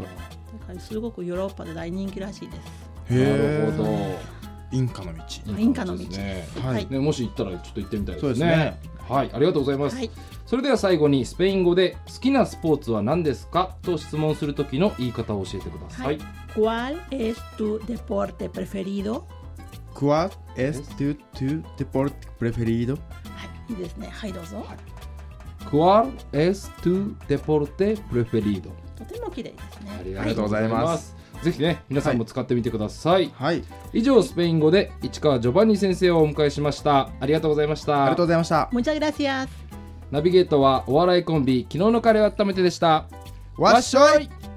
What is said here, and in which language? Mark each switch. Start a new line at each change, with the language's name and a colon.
Japanese: だからすごくヨーロッパで大人気らしいです。へー、なるほど。インカの道、インカの道、ね、はい、ね、もし行ったらちょっと行ってみたいですね。そうですね。はい、ありがとうございます。はい、それでは最後にスペイン語で好きなスポーツは何ですかと質問するときの言い方を教えてください。はい、
Spanish: ¿Cuál es tu deporte preferido? ¿Cuál es tu deporte preferido?
Japanese: いいですね。はい、どうぞ。
Spanish: ¿Cuál es tu deporte preferido?
Japanese: とても綺麗ですね。ありがとうございます。はい、ぜひね、皆さんも使ってみてください。はい、以上スペイン語で市川ジョバンニ先生をお迎えしました。ありがとうございました。ありがとうございました。
Spanish: Muchas gracias。
Japanese: ナビゲートはお笑いコンビ昨日のカレーを温めてでした。わっしょい。